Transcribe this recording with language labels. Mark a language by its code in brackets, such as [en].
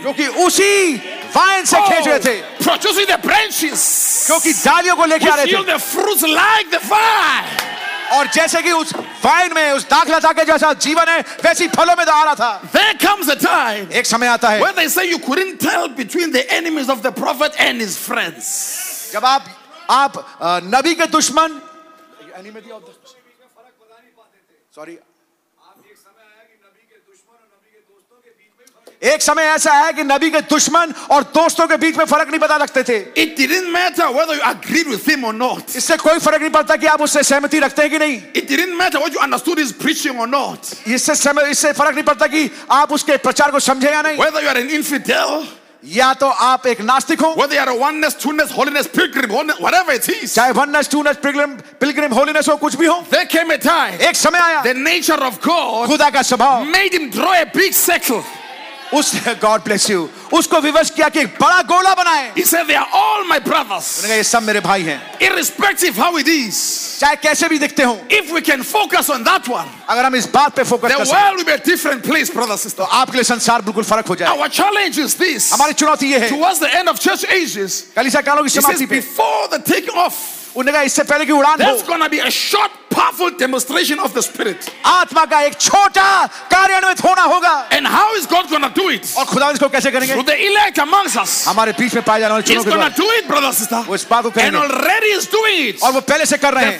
[hi] क्योंकि उसी वाइन से खेज रहे थे. [en] Producing the branches. [hi] क्योंकि डालियों को लेके आ रहे थे. [en] Yield the fruits like the vine. [hi] और जैसे कि उस वाइन में उस दाखला था के जैसा जीवन है वैसी फलों में आ रहा था [en] There comes a time [hi] एक समय आता है [en] when they say you couldn't tell between the enemies of the prophet and his friends [hi] जब आप नबी के दुश्मन [en] enemy of the [hi] फर्क बता नहीं पाते थे सॉरी आप एक समय आया कि नबी के दुश्मन और नबी के दोस्तों के बीच में एक समय ऐसा आया कि नबी के दुश्मन और दोस्तों के बीच में फर्क नहीं पता लगते थे [en] It didn't matter whether you agreed with him or not [hi] इससे कोई फर्क नहीं पड़ता कि आप उससे सहमति रखते हैं कि नहीं [en] It didn't matter what you understood his preaching or not [hi] इससे फर्क नहीं पड़ता कि आप उसके प्रचार को समझे या नहीं [en] whether you are an infidel [hi] या तो आप एक नास्तिक हो [en] whether you are a oneness twoness holiness pilgrim whatever it is [hi] चाहे [en] oneness twoness pilgrim holiness [hi] हो कुछ भी हो [en] there came a time [hi] एक समय आया [en] the nature of god [hi] खुदा का स्वभाव [en] made him draw a big circle [hi] उसने [en] God bless you [hi] उसको विवश किया कि एक बड़ा गोला बनाए [en] He said, "They are all my brothers." [hi] उन्होंने कहा ये सब मेरे भाई हैं [en] Irrespective how it is, [hi] चाहे कैसे भी दिखते हों [en] If we can focus on that one, [hi] अगर हम इस बात पे फोकस करें [en] The world will be a different place, brothers and sisters. [hi] आपके लिए संसार बिल्कुल फर्क हो जाए [en] Our challenge is this. [hi] हमारी चुनौती ये है [en] Towards the end of church ages, [hi] कलीसिया कालों की समाप्ति पे [en] Before the taking off. [hi] उन्होंने कहा इससे पहले कि उड़ान [en] There's gonna be a short powerful demonstration of the spirit [hi] atma ka ek chota karyanvit hona hoga [en] and how is god going to do it [hi] aur khuda isko kaise karenge [en] through the elect amongst us [hi] hamare beech mein paaye jane wale chuno ke [en] is going to do it brother sister [hi] wo is baat ko karenge [en] and already is doing it [hi] aur wo pehle se kar rahe hain